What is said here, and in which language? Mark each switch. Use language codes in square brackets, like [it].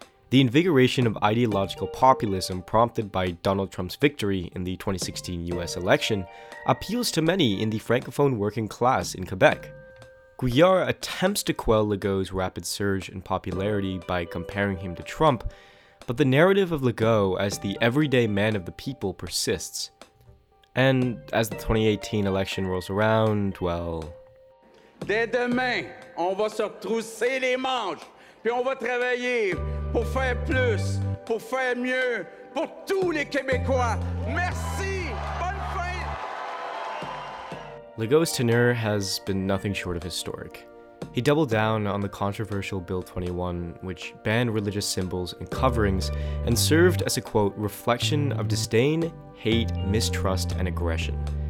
[en] The invigoration of ideological populism prompted by Donald Trump's victory in the 2016 US election appeals to many in the Francophone working class in Quebec. Guyard attempts to quell Legault's rapid surge in popularity by comparing him to Trump, but the narrative of Legault as the everyday man of the people persists. And as the 2018 election rolls around, well... [fr] Dès demain, on va se retrousser les manches, puis on va travailler pour faire plus, pour faire mieux, pour tous les Québécois. Merci! Bonne fin! [en] Legault's tenure has been nothing short of historic. He doubled down on the controversial Bill 21, which banned religious symbols and coverings and served as a, quote, reflection of disdain, hate, mistrust, and aggression.